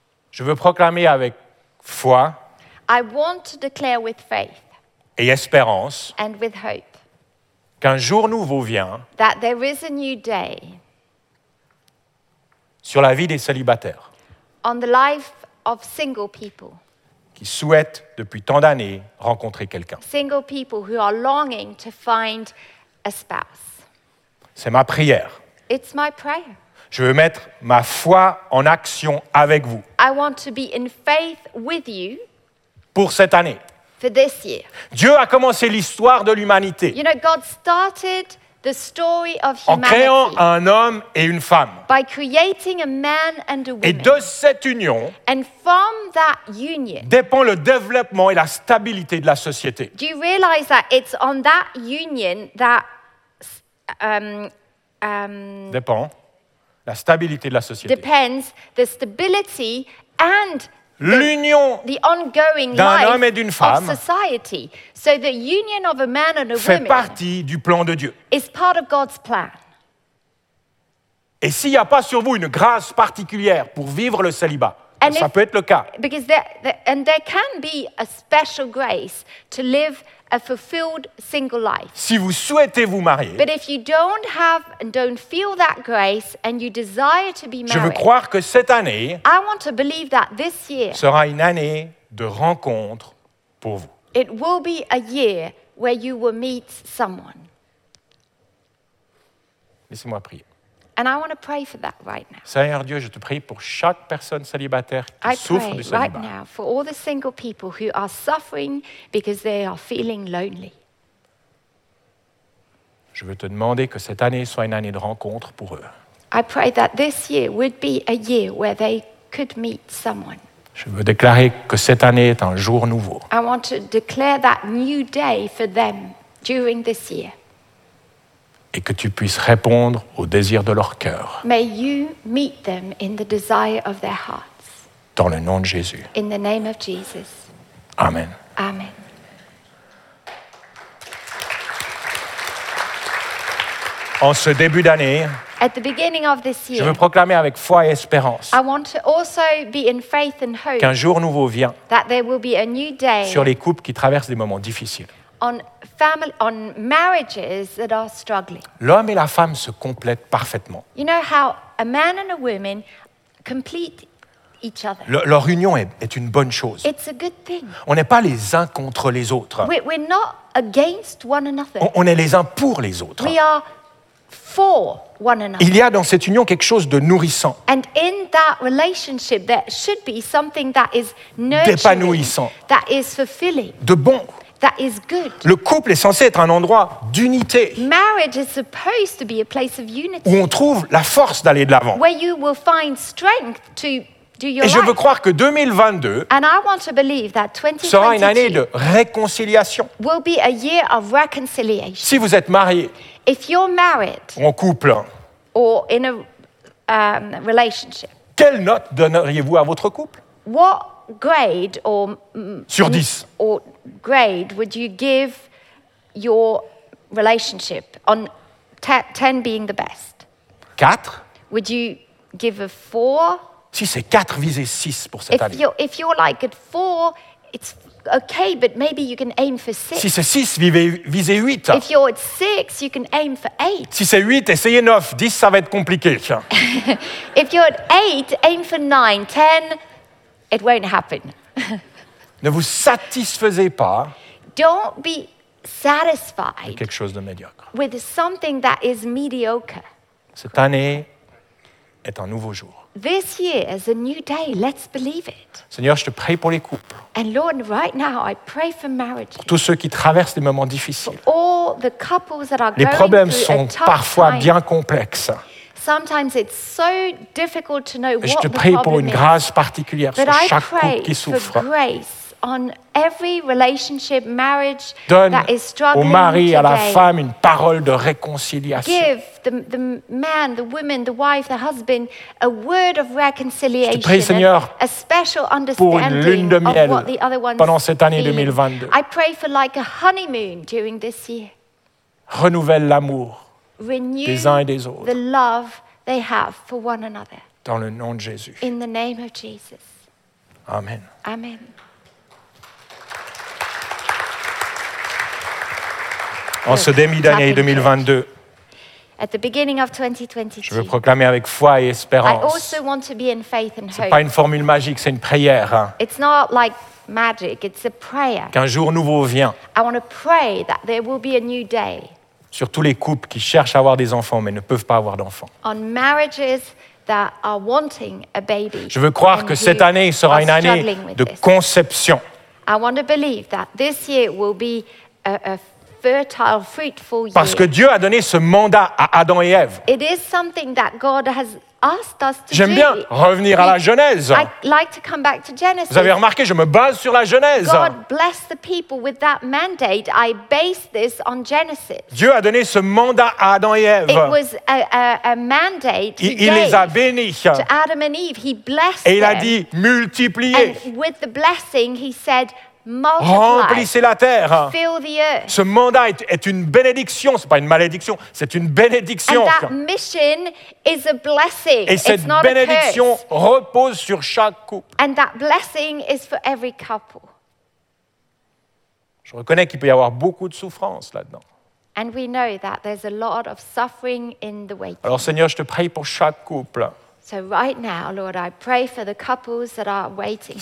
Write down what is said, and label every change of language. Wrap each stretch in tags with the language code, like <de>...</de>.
<fr>je veux proclamer avec foi</fr> <en>I want to declare with faith</en> <fr>et espérance</fr> <en>and with hope</en> <fr>qu'un jour nouveau vient</fr> <en>that there is a new day</en> <fr>sur la vie des célibataires</fr> <en>on the life of single people</en> <fr>qui souhaitent depuis tant d'années rencontrer quelqu'un.</fr> <en>Single people who are longing to find a spouse.</en> <fr>C'est ma prière.</fr> <en>It's my prayer.</en> <fr>Je veux mettre ma foi en action avec vous.</fr> <en>I want to be in faith with you.</en> <fr>Pour cette année.</fr> <en>For this year.</en> <fr>Dieu a commencé l'histoire de l'humanité.</fr> <en>You know, God started the story of humanity.</en> <fr>En créant un homme et une femme.</fr> <en>By creating a man and a woman.</en> <fr>Et de cette union.</fr> <en>And from that union.</en> <fr>Dépend le développement et la stabilité de la société.</fr> <en>Do you realize that it's on that union that</en> <fr>dépend la stabilité de la société.</fr> <en>Depends the stability and</en> <fr>l'union</fr> <en>the ongoing</en> <fr>d'un</fr> <en>life</en> <fr>homme et d'une femme</fr> <en>of society. So the union of a man and a</en> <fr>fait</fr> <en>woman</en> <fr>partie du plan de Dieu.</fr> <en>Is part of God's plan.</en> <fr>Et s'il n'y a pas sur vous une grâce particulière pour vivre le célibat,</fr> <en>and</en> <fr>ça</fr> <en>if,</en> <fr>peut être le cas.</fr> <en>Because there can be a special grace to live a fulfilled single life.</en> <fr>Si vous souhaitez vous marier,</fr> <en>but if you don't have and don't feel that grace and you desire to be married,</en> <fr>je veux croire que cette année,</fr> <en>I want to believe that this year</en> <fr>sera une année de rencontre pour vous.</fr> <en>It will be a year where you will meet someone.</en> <fr>Laissez-moi prier.</fr> <en>And I want to pray for that right now.</en> <fr>Seigneur Dieu, je te prie pour chaque personne célibataire qui souffre du célibat.</fr> <en>I pray right now for all the single people who are suffering because they are feeling lonely.</en> <fr>Je veux te demander que cette année soit une année de rencontre pour eux.</fr> <en>I pray that this year would be a year where they could meet someone.</en> <fr>Je veux déclarer que cette année est un jour nouveau.</fr> <en>I want to declare that new day for them during this year.</en> <fr>Et que tu puisses répondre aux désirs de leur cœur.</fr> <en>May you meet them in the desire of their hearts.</en> <fr>Dans le nom de Jésus.</fr> <en>In the name of Jesus.</en> <fr>Amen.</fr> <en>Amen.</en> <fr>En ce début d'année,</fr> <en>At the beginning of this year,</en> <fr>je veux proclamer avec foi et espérance</fr> <en>I want to also be in faith and hope</en> <fr>qu'un jour nouveau vient</fr> <en>that there will be a new day</en> <fr>sur les couples qui traversent des moments difficiles.</fr> <en>On marriages that are struggling.</en> <fr>L'homme et la femme se complètent parfaitement.</fr> <en>You know how a man and a woman complete each other.</en> <fr>Leur union est une bonne chose.</fr> <en>It's a good thing.</en> <fr>On n'est pas les uns contre les autres.</fr> <en>We're not against one another.</en> <fr>On est les uns pour les autres.</fr> <en>We are for one another.</en> <fr>Il y a dans cette union quelque chose de nourrissant.</fr> <en>And in that relationship, there should be something that is nurturing.</en> <fr>D'épanouissant.</fr> <en>That is fulfilling.</en> <fr>De bon.</fr> <en>That is good.</en> <fr>Le couple est censé être un endroit d'unité.</fr> <en>Marriage is supposed to be a place of unity.</en> <fr>Où on trouve la force d'aller de l'avant.</fr> <en>Where you will find strength to do your life.</en> <fr>Et je veux croire que 2022,</fr> <en>And I want to believe that 2022</en> <fr>sera une année de réconciliation.</fr> <en>Will be a year of reconciliation.</en> <fr>Si vous êtes marié,</fr> <en>If you're married,</en> <fr>ou en couple,</fr> <en>or in a relationship,</en> <fr>quelle note donneriez-vous à votre couple?</fr> <en>What grade or</en> <fr>sur 10</fr> <en>or grade would you give your relationship on 10 being the best</en> <fr>4</fr> <en>would you give a 4</en> <fr>si c'est 4 visez 6 pour cette année</fr> <en>if you're like at 4 it's Okay, but maybe you can aim for 6.</en> <fr>Si c'est 6, visez 8.</fr> <en>If you're at 6, you can aim for 8.</en> <fr>Si c'est 8, essayez 9. 10, ça va être compliqué.</fr> <en>If you're at 8, aim for 9. 10, it won't happen.</en> <fr>Ne vous satisfaisez pas.</fr> <en>Don't be satisfied.</en> <fr>De quelque chose de médiocre.</fr> <en>With something that is mediocre.</en> <fr>Cette année est un nouveau jour.</fr> <en>This year is a new day. Let's believe it.</en> <fr>Seigneur, je te prie pour les couples.</fr> <en>And Lord, right now I pray for marriages.</en> <fr>Pour tous ceux qui traversent des moments difficiles.</fr> <en>For all the couples that are going through.</en> <fr>Les problèmes sont parfois bien complexes.</fr> <en>Sometimes it's so difficult to know what the problem is.</en> <fr>Je te prie pour une grâce particulière sur chaque couple qui souffre.</fr> <en>But I pray for grace. On every relationship, marriage</en> <fr>donne</fr> <en>that is struggling</en> <fr>au mari,</fr> <en>today,</en> <fr>à la femme, une parole de réconciliation.</fr> <en>Give the man, the woman, the wife, the husband a word of reconciliation.</en> <fr>Je te prie, Seigneur,</fr> <en>a special understanding of what the other one</en> <fr>pendant cette année 2022.</fr> <en>I pray for like a honeymoon during this year.</en> <fr>Renouvelle l'amour</fr> <en>renew</en> <fr>des uns et des autres.</fr> <en>The love they have for one another.</en> <fr>Dans le nom de Jésus.</fr> <en>In the name of Jesus.</en> <fr>Amen.</fr> <en>Amen.</en> <fr>En ce début d'année 2022,</fr> <en>at the beginning of 2022,</en> <fr>je veux proclamer avec foi et espérance.</fr> <en>I also want to be in faith and hope.</en> <fr>C'est pas une formule magique, c'est une prière.</fr> <en>It's not like magic, it's a prayer.</en> <fr>Qu'un jour nouveau vient.</fr> <en>I want to pray that there will be a new day.</en> <fr>Sur tous les couples qui cherchent à avoir des enfants mais ne peuvent pas avoir d'enfants.</fr> <en>On marriages that are wanting a baby.</en> <fr>Je veux croire que cette année sera une année de conception.</fr> <en>I want to believe that this year will be a fertile, fruitful year.</en> <fr>Parce que Dieu a donné ce mandat à Adam et Ève.</fr> <en>It is something that God has asked us to</en> <fr>J'aime Bien revenir à la Genèse.</fr> <en>I like to come back to Genesis.</en> <fr>Vous avez remarqué, je me base sur la Genèse.</fr> <en>God blessed the people with that mandate. I base this on Genesis.</en> <fr>Dieu a donné ce mandat à Adam et Ève.</fr> <en>It was a mandate he</en> <fr>il les a bénis.</fr> <en>To Adam and Eve. He blessed</en> <fr>et il</fr> <en>them.</en> <fr>A dit multiplier.</fr> <en>And with the blessing, he said,</en> <fr>remplissez la terre.</fr> <en>Fill the earth.</en> <fr>Ce mandat est une bénédiction, ce n'est pas une malédiction, c'est une bénédiction.</fr> <en>And that mission is a blessing.</en> <fr>Et cette</fr> <en>it's not</en> <fr>bénédiction</fr> <en>a curse.</en> <fr>Repose sur chaque couple.</fr> <en>And that blessing is for every couple.</en> <fr>Je reconnais qu'il peut y avoir beaucoup de souffrance là-dedans.</fr> <en>And we know that there's a lot of suffering in the waiting.</en> <fr>Alors Seigneur, je te prie pour chaque couple.</fr> <en>So right now, Lord, I pray for the couples that are waiting for</en>